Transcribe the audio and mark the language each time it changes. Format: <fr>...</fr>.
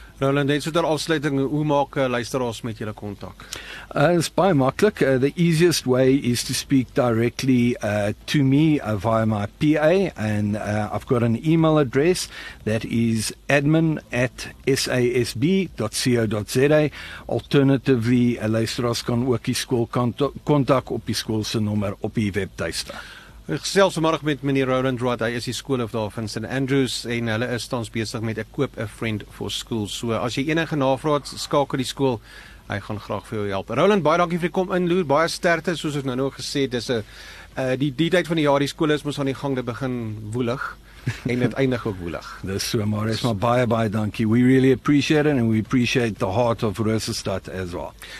<af>Roland, net so ter afsluiting, hoe maak luisteraars met julle kontak?</af> <en>It's</en> <af>baie maklik.</af> <en>The easiest way is to speak directly to me via my PA, and I've got an email address that is admin@sasb.co.za.</en> <af>Alternatively, luisteraars kan ook die skool kontak op die skoolse nommer op die webtuiste. Ek gesels vanmiddag met meneer Roland Wright, hy is die skoolhoof daar van St. Andrews en hulle is tans besig met 'n koop 'n friend for school. So as jy enige navrae het, skakel die skool. Hy gaan graag vir jou help. Roland, baie dankie vir die kom inloer. Baie sterkte, soos ons nou gesê het, dis 'n die tyd van die jaar, die skool is mos aan die gang, dit begin woelig en dit eindig ook woelig. Dis so, maar is maar baie baie dankie.</af> <en>We really appreciate it and we appreciate the heart of Rosestad as well.</en>